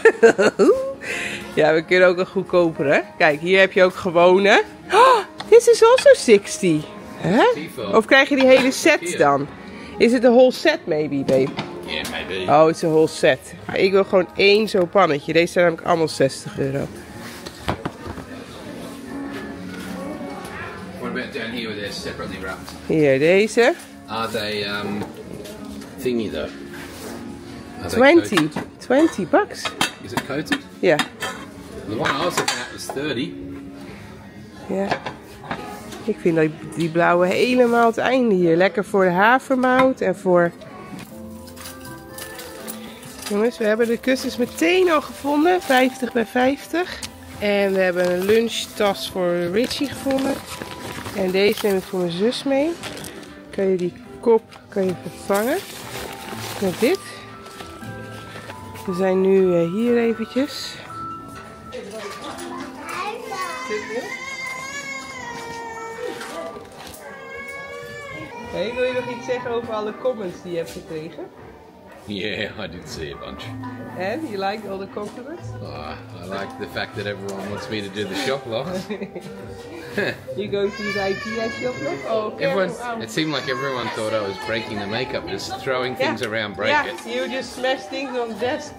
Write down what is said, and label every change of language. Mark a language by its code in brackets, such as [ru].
[en] here? [nl] Ja, we kunnen ook een goedkopere. Kijk, hier heb je ook gewone. [en] Oh, this is also 60. Huh? [nl] Of krijg je die hele set dan? [en] Is it a whole set maybe, babe? Yeah, maybe. [nl] Oh, het is een [en] whole set. [nl] Maar ik wil gewoon één zo'n pannetje. Deze zijn namelijk allemaal 60 euro. [en] What about down here where they're separately wrapped? [nl] Hier, deze. [en] Are they thingy though? 20 bucks. Is it coated? Yeah. The one I was looking at was 30. Ja. Yeah. [nl] Ik vind die blauwe helemaal het einde hier. Lekker voor de havermout en voor... Jongens, we hebben de kussens meteen al gevonden. 50 bij 50. En we hebben een lunchtas voor Richie gevonden. En deze neem ik voor mijn zus mee. Kan je die kop kan je vervangen. Met dit. We zijn nu hier eventjes. Hey, wil je nog iets zeggen over alle comments die je hebt gekregen? [en] Yeah, I did see a bunch. And you like all the compliments? Oh, I like the fact that everyone wants me to do the shop lot. You go to the IKEA shop lot? Oh, okay. It seemed like everyone thought I was breaking the makeup, just throwing things around, break it. Yeah, you just smash things on the desk.